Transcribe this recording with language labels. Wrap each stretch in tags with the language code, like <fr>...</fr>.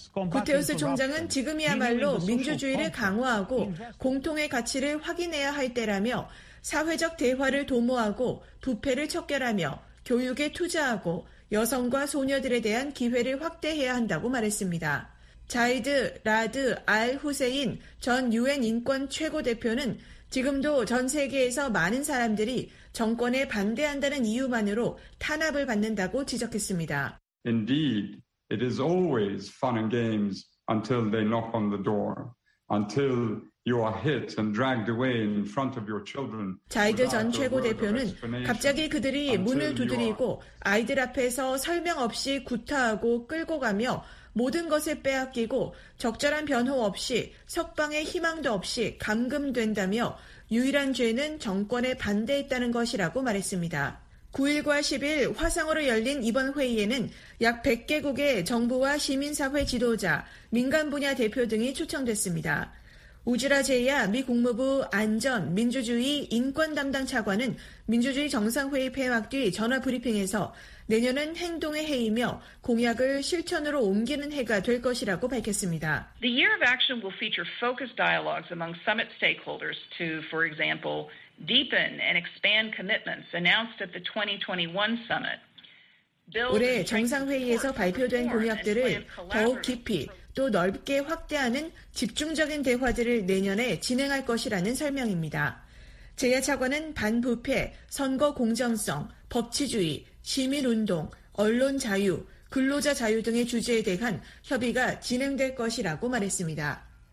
<ko>구테흐스 총장은 지금이야말로 민주주의를 강화하고 공통의 가치를 확인해야 할 때라며 사회적 대화를 도모하고 부패를 척결하며 교육에 투자하고 여성과 소녀들에 대한 기회를 확대해야 한다고 말했습니다. 자이드 라드 알 후세인 전 유엔 인권 최고 대표는 지금도 전 세계에서 많은 사람들이 정권에 반대한다는 이유만으로 탄압을 받는다고 지적했습니다.</ko> <en>Indeed. It is always fun and games until they knock on the door, until you are hit and dragged away in front of your children.</en> <ko>자이드 전 최고 대표는 갑자기 그들이 문을 두드리고 아이들 앞에서 설명 없이 구타하고 끌고 가며 모든 것을 빼앗기고 적절한 변호 없이 석방의 희망도 없이 감금된다며 유일한 죄는 정권에 반대했다는 것이라고 말했습니다. 9일과 10일 화상으로 열린 이번 회의에는 약 100개국의 정부와 시민사회 지도자, 민간 분야 대표 등이 초청됐습니다. 우즈라 제이야 미 국무부 안전, 민주주의, 인권 담당 차관은 민주주의 정상회의 폐막 뒤 전화 브리핑에서 내년은 행동의 해이며 공약을 실천으로 옮기는 해가 될 것이라고 밝혔습니다.</ko> <en>The year of action will feature focused dialogues among summit stakeholders to, for example, deepen and expand commitments announced at the 2021 summit.</en> <ko>올해 정상회의에서 발표된 공약들을 더욱 깊이 또 넓게 확대하는 집중적인 대화들을 내년에 진행할 것이라는 설명입니다. 제야 차관은 반부패, 선거 공정성, 법치주의, 시민운동, 언론 자유, 근로자 자유 등의 주제에 대한 협의가 진행될 것이라고 말했습니다.</ko>